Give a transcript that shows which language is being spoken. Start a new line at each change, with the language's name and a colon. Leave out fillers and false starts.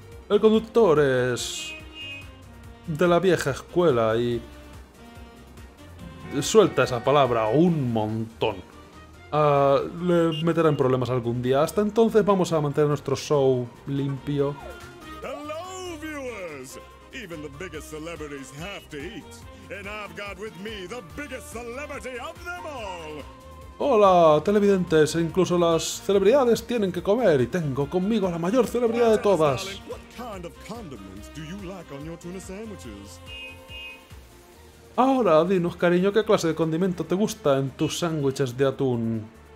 Spanish: El conductor es de la vieja escuela y... suelta esa palabra un montón. Le meterá en problemas algún día. Hasta entonces vamos a mantener nuestro show limpio.
English: Hello, viewers. Even the biggest celebrities have to eat. And I've got with me the biggest celebrity of them all.
Spanish: Hola, televidentes. Incluso las celebridades tienen que comer. Y tengo conmigo a la mayor celebridad de todas.
English: What kind of condiments do you like on your tuna sandwiches?
Spanish: Ahora, dinos, cariño, ¿qué clase de condimento te gusta en tus sándwiches de atún?